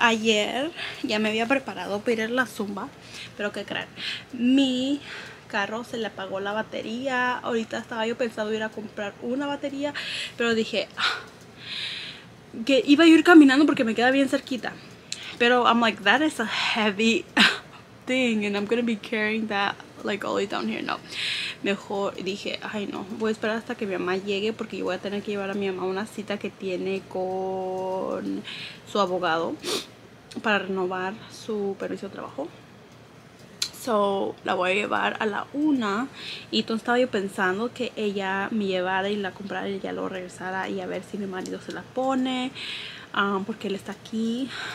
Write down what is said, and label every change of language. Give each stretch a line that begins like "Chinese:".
Spanish: Ayer ya me había preparado para ir a la Zumba, pero qué creen, mi carro se le apagó la batería. Ahorita estaba yo pensando ir a comprar una batería, pero dije, que iba a ir caminando porque me queda bien cerquita. Pero
English: I'm like, that is a heavy thing and I'm gonna be carrying that like all the way down here.
Spanish: No, mejor dije, ay no, voy a esperar hasta que mi mamá llegue, porque yo voy a tener que llevar a mi mamá una cita que tiene con su abogado para renovar su permiso de trabajo. So, la voy a llevar a la una, y entonces estaba yo pensando que ella me llevara y la comprara y ya lo regresara, y a ver si mi marido se la pone, porque él está aquí.